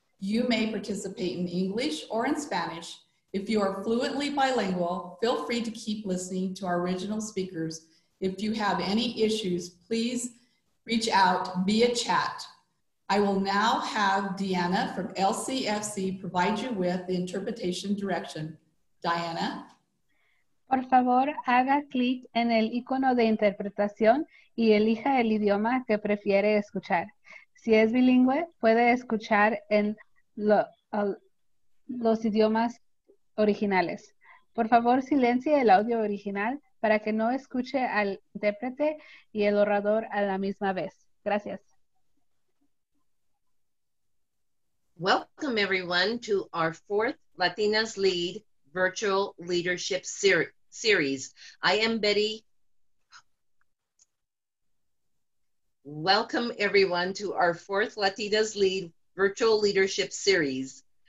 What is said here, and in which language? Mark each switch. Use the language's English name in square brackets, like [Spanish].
[English] You may participate in English or in Spanish. If you are fluently bilingual, feel free to keep listening to our original speakers. If you have any issues, please reach out via chat. I will now have Diana from LCFC provide you with the interpretation direction. Diana? [Spanish] Por favor, haga clic en el icono de interpretación y elija el idioma que prefiere escuchar. Si es bilingüe, puede escuchar en los idiomas originales. Por favor, silencie el audio original para que no escuche al intérprete y el orador a la misma vez. Gracias. [English] Welcome, everyone, to our fourth Latinas LEAD Virtual Leadership Series. I am Betty. Welcome, everyone, to our fourth Latinas LEAD Virtual Leadership Series.